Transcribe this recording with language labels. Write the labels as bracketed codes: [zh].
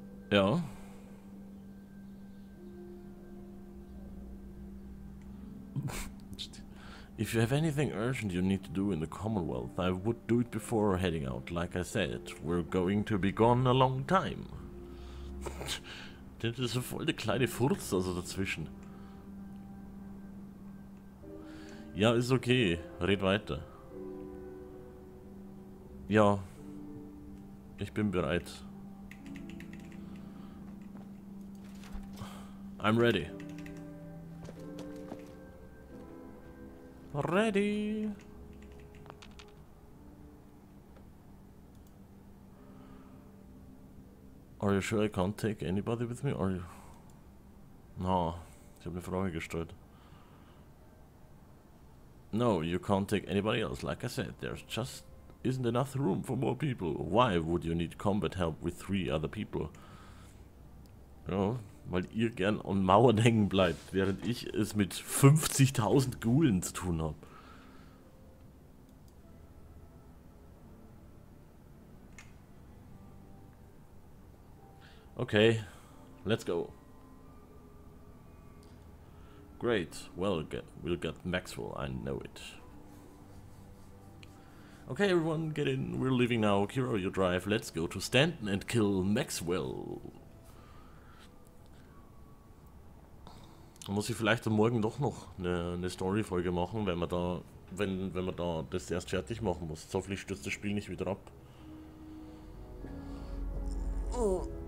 [de] Ja. [en] If you have anything urgent you need to do in the Commonwealth, I would do it before heading out. Like I said, we're going to be gone a long time. [de] Das ist voll der kleine Furz, also dazwischen. Ja, ist okay. Red weiter. Ja. Ich bin bereit. [en] I'm ready. Ready. Are you sure I can't take anybody with me? Are you? No, [de] ich habe eine Frage gestellt. [en] No, you can't take anybody else. Like I said, there just isn't enough room for more people. Why would you need combat help with three other people? [de] Ja, weil ihr gern an Mauern hängen bleibt, während ich es mit 50.000 Ghoulen zu tun habe. [en] Okay, let's go. Great, well, we'll get Maxwell, I know it. Okay, everyone, get in, we're leaving now. Kira, you drive, let's go to Stanton and kill Maxwell. [de] Muss ich vielleicht morgen doch noch eine Story-Folge machen, wenn man da das erst fertig machen muss. Hoffentlich stürzt das Spiel nicht wieder ab. Oh.